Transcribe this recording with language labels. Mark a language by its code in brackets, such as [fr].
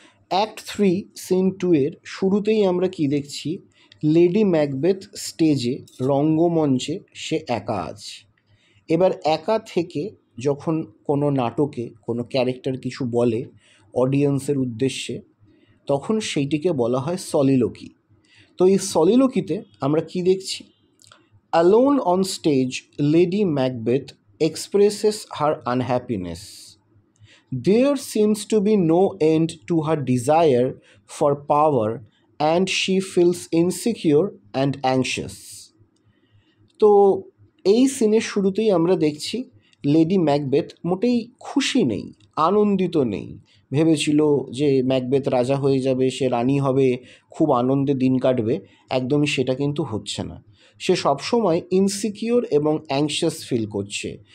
[bn] Act 3 scene 2 এর শুরুতেই আমরা কি দেখছি, লেডি ম্যাকবেথ স্টেজে, রঙ্গমঞ্চে সে একা আছে। এবার একা থেকে যখন কোনো নাটকে কোনো ক্যারেক্টার কিছু বলে অডিয়েন্সের উদ্দেশ্যে, তখন সেইটিকে বলা হয় সলিলোকি। তো এই সলিলোকিতে আমরা কি দেখছি, [en] Alone on stage, Lady Macbeth expresses her unhappiness. There seems to be no end to her desire for power and she feels insecure and anxious. [bn] তো এই সিনের শুরুতেই আমরা দেখছি লেডি ম্যাকবেথ মোটেই খুশি নেই, আনন্দিত নেই। ভেবেছিল যে ম্যাকবেথ রাজা হয়ে যাবে, সে রানী হবে, খুব আনন্দে দিন কাটবে, একদমই সেটা কিন্তু হচ্ছে না। সে সবসময় ইনসিকিওর এবং অ্যাংশাস ফিল করছে।